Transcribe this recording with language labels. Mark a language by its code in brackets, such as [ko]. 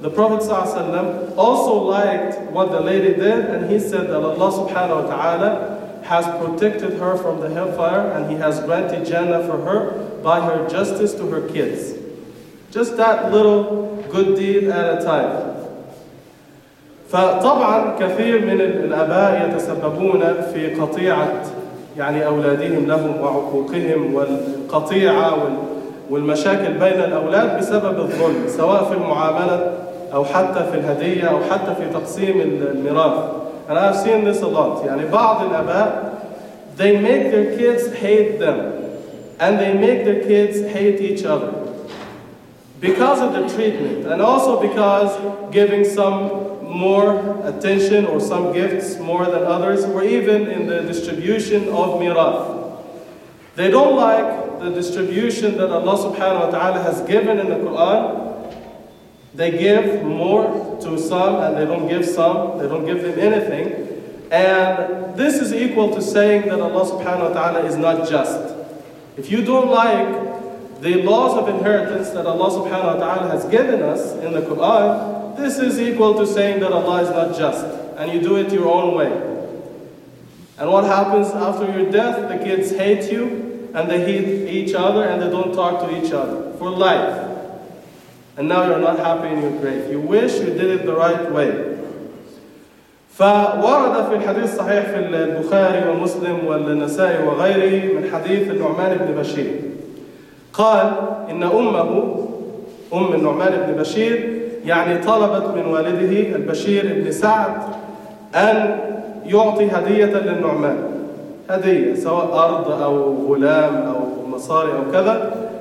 [en] The Prophet sallallahu alaihi wasallam also liked what the lady did and he said that Allah subhanahu wa ta'ala has protected her from the hellfire and he has granted Jannah for her by her justice to her kids. Just that little good deed at a time. [ar] فطبعا كثير من الآباء يتسببون في قطيعة يعني أولادهم لهم وعقوقهم والقطيعة والمشاكل بين الأولاد بسبب الظلم سواء في المعاملة أو حتى في الهدية أو حتى في تقسيم الميراث. [en] And I've seen this a lot. [ar] يعني بعض الآباء [en] they make their kids hate them and they make their kids hate each other because of the treatment and also because giving some more attention or some gifts more than others or even in the distribution of miraf. They don't like the distribution that Allah subhanahu wa ta'ala has given in the Quran. They give more to some and they don't give some, they don't give them anything. And this is equal to saying that Allah subhanahu wa ta'ala is not just. If you don't like the laws of inheritance that Allah subhanahu wa ta'ala has given us in the Quran, this is equal to saying that Allah is not just, and you do it your own way. And what happens after your death? The kids hate you, and they hate each other, and they don't talk to each other for life. And now you're not happy in your grave. You wish you did it the right way. [ar] فورد في الحديث الصحيح في البخاري ومسلم والنسائي وغيره من حديث النعمان بن بشير. قال إن أمه أم النعمان بن بشير يعني طلبت من والده البشير بن سعد أن يعطي هدية للنعمان هدية سواء أرض أو غلام أو مصاري أو كذا